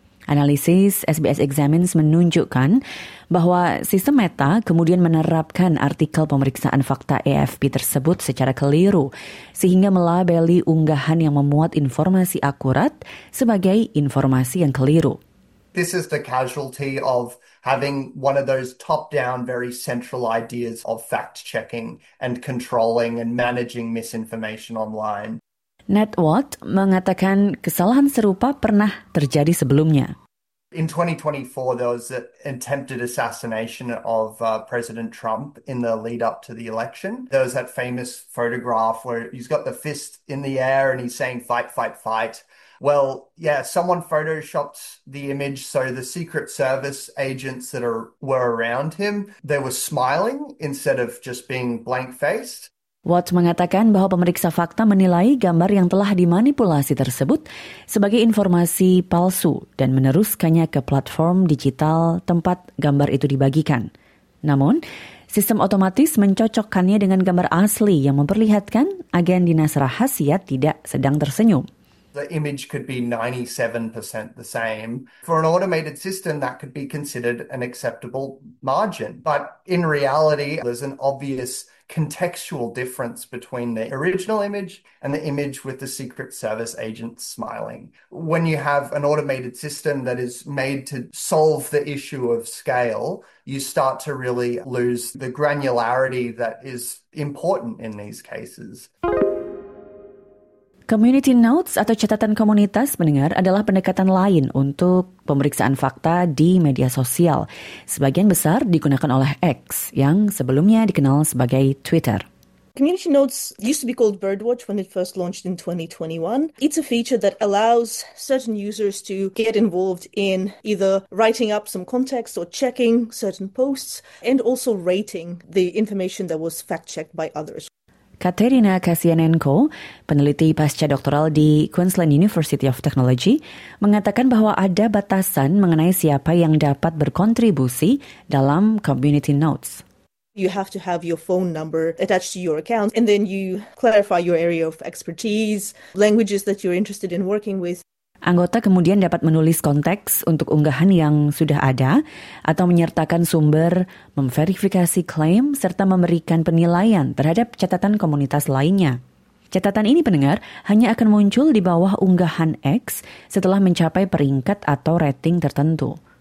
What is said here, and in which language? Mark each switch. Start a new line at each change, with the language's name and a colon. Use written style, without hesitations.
Indonesian: Analisis SBS Examines menunjukkan bahwa sistem Meta kemudian menerapkan artikel pemeriksaan fakta AFP tersebut secara keliru, sehingga melabeli unggahan yang memuat informasi akurat sebagai informasi yang keliru.
English: This is the casualty of having one of those top-down, very central ideas of fact-checking and controlling and managing misinformation online.
Indonesian: Ned Watt mengatakan kesalahan serupa pernah terjadi sebelumnya.
English: In 2024, there was an attempted assassination of President Trump in the lead-up to the election. There was that famous photograph where he's got the fist in the air and he's saying, fight, fight, fight. Well, yeah, someone photoshopped the image, so the Secret Service agents that were around him, they were smiling instead of just being blank-faced.
Indonesian: Watt mengatakan bahwa pemeriksa fakta menilai gambar yang telah dimanipulasi tersebut sebagai informasi palsu dan meneruskannya ke platform digital tempat gambar itu dibagikan. Namun, sistem otomatis mencocokkannya dengan gambar asli yang memperlihatkan agen dinas rahasia tidak sedang tersenyum.
English: The image could be 97% the same. For an automated system, that could be considered an acceptable margin. But in reality, there's an obvious contextual difference between the original image and the image with the Secret Service agent smiling. When you have an automated system that is made to solve the issue of scale, you start to really lose the granularity that is important in these cases.
Indonesian: Community notes atau catatan komunitas, pendengar, adalah pendekatan lain untuk pemeriksaan fakta di media sosial. Sebagian besar digunakan oleh X, yang sebelumnya dikenal sebagai Twitter.
English: Community Notes used to be called Birdwatch when it first launched in 2021. It's a feature that allows certain users to get involved in either writing up some context or checking certain posts and also rating the information that was fact-checked by others.
Indonesian: Katerina Kasianenko, peneliti pasca doktoral di Queensland University of Technology, mengatakan bahwa ada batasan mengenai siapa yang dapat berkontribusi dalam Community Notes.
English: You have to have your phone number attached to your account, and then you clarify your area of expertise, languages that you're interested in working with.
Indonesian: Anggota kemudian dapat menulis konteks untuk unggahan yang sudah ada, atau menyertakan sumber, memverifikasi klaim, serta memberikan penilaian terhadap catatan komunitas lainnya. Catatan ini, pendengar, hanya akan muncul di bawah unggahan X setelah mencapai peringkat atau rating tertentu.